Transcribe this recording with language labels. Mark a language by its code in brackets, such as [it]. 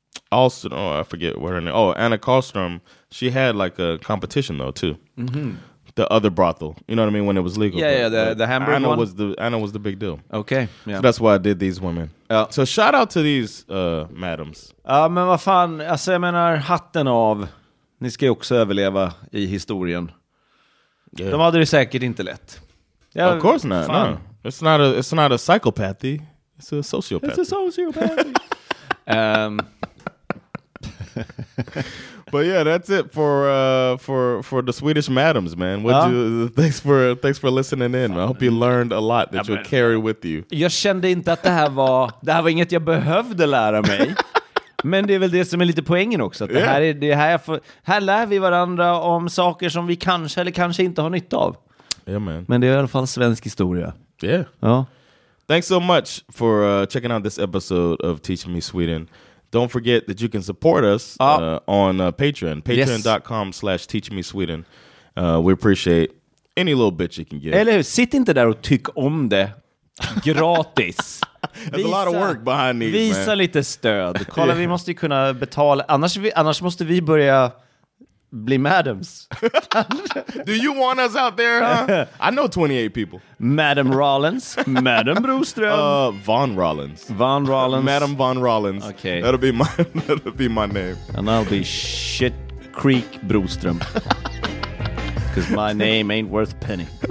[en] Alston, oh, I forget what her name. Oh, Anna Karlström. She had like a competition though too. Mm-hmm. The other brothel, you know what I mean, when it was legal. Yeah, the Hamburg Anna one. Anna was the big deal. Okay, yeah. So that's why I did these women. So shout out to these madams. [sv] Men vad fan, alltså, jag menar, hatten av. Ni ska ju också överleva i historien. Yeah. De hade det säkert inte lätt. [en] Ja, of course not. Fan. No, it's not a psychopathy. It's a sociopathy. It's a sociopathy. But yeah, that's it for the Swedish madams, man. Thanks for listening in. I hope you learned a lot that you'll carry with you. [sv] Jag kände inte att det här var inget jag behövde lära mig. Men det är väl det som är lite poängen också, att här lär vi varandra om saker som vi kanske eller kanske inte har nytta av. [en] Yeah, man. [sv] Men det är i alla fall svensk historia. [en] Yeah. [sv] Ja. [en] Thanks so much for checking out this episode of Teach Me Sweden. Don't forget that you can support us on Patreon. Patreon.com/teachmesweden. We appreciate any little bit you can get. [sv] Eller hur? Sitt inte där och tyck om det gratis. [en] There's a lot of work behind these, [sv] visa [en] man. [sv] Lite stöd. Kolla, vi måste ju kunna betala. Annars måste vi börja bli madams. [en] Do you want us out there, huh? I know 28 people. Madam Rollins. Madam Broström. Von Rollins. Von Rollins. Madam Von Rollins. Okay. That'll be my name. And I'll be Shit Creek Broström. Because my name ain't worth a penny.